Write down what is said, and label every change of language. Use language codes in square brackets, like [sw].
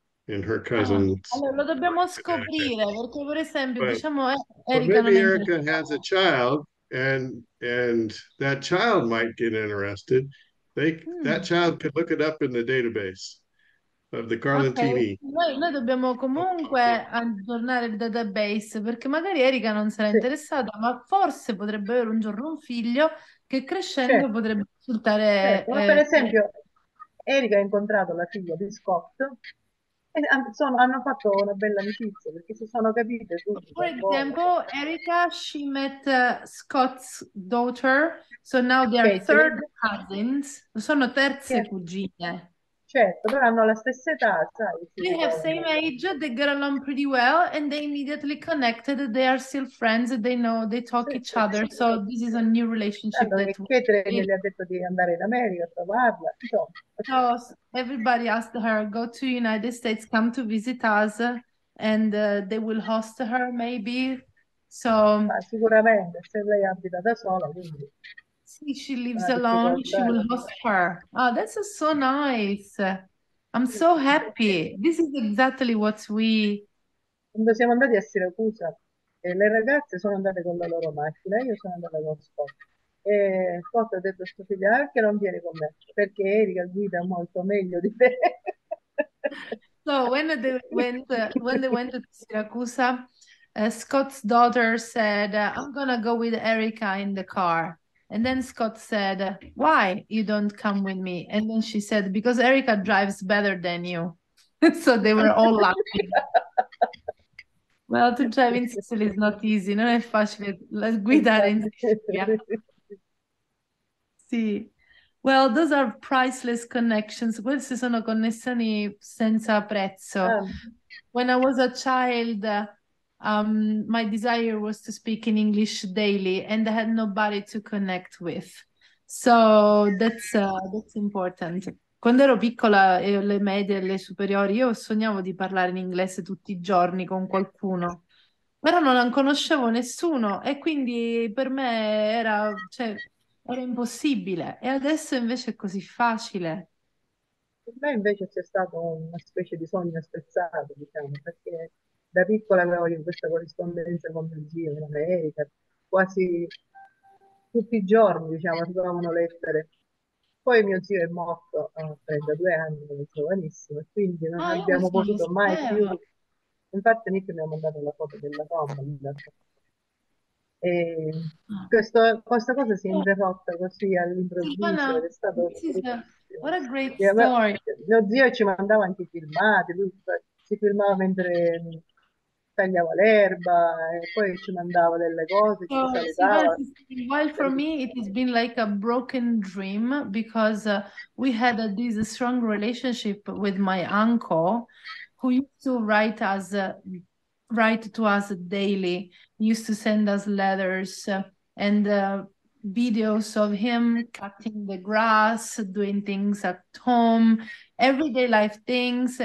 [en] In her cousins. [it] Allora, lo dobbiamo scoprire, perché per esempio, [en] but, [it] diciamo, [en] Erica maybe Erica has a child, and that child might get interested. That child could look it up in the database of the Carlentini. Okay. [it] Noi dobbiamo comunque aggiornare il database, perché magari Erica non sarà interessata, ma forse potrebbe avere un giorno un figlio che crescendo potrebbe risultare. Per esempio, Erica ha incontrato la figlia di Scott. Hanno fatto una bella amicizia perché si sono capite. [en] For example, Erica, she met Scott's daughter, so now they are third cousins. [it] Sono terze cugine. Certo, però hanno la stessa età, sai? [en] They have same age, they get along pretty well, and they immediately connected. They are still friends, they know, they talk each other. So this is a new relationship. [it] Pietro gli ha detto di andare in America a trovarla. [en] So everybody asked her, go to United States, come to visit us, and they will host her maybe. So [it] sicuramente, se lei abita da sola, quindi. [en] She lives alone, she will host her. Oh, that's so nice. I'm so happy. This is exactly what we... [it] Quando siamo andati a Siracusa, le ragazze sono andate con la loro macchina, io sono andata con Scott. E Scott ha detto a suo figlio, che non viene con me, perché Erika guida molto meglio di te. [en] So, when they went to Siracusa, Scott's daughter said, I'm gonna go with Erika in the car. And then Scott said, why you don't come with me? And then she said, because Erica drives better than you. So they were all laughing. Well, to drive in Sicily is not easy. [it] Non è facile guidare in Sicilia. Sì. [en] Well, those are priceless connections. [it] Queste sono connessioni senza prezzo. [en] When I was a child, my desire was to speak in English daily and I had nobody to connect with. So that's important. [it] Quando ero piccola, le medie e le superiori, io sognavo di parlare in inglese tutti i giorni con qualcuno, però non conoscevo nessuno e quindi per me era, cioè, era impossibile. E adesso invece è così facile. Per me invece c'è stato una specie di sogno spezzato, diciamo, perché da piccola avevo io questa corrispondenza con mio zio in America, quasi tutti i giorni, diciamo, arrivavano lettere. Poi mio zio è morto a 32 anni, è giovanissimo, e quindi non abbiamo potuto mai più. Infatti Nick mi ha mandato la foto della tomba. E questa cosa si è interrotta così all'improvviso. Sì, è stato [en] what a great story. [it] Mio zio ci mandava anche i filmati, lui si filmava mentre tagliava l'erba e poi ci mandava delle cose, ci salutava. [en] Well, for me it has been like a broken dream because we had this strong relationship with my uncle who used to write to us daily, used to send us letters and videos of him cutting the grass, doing things at home, everyday life things.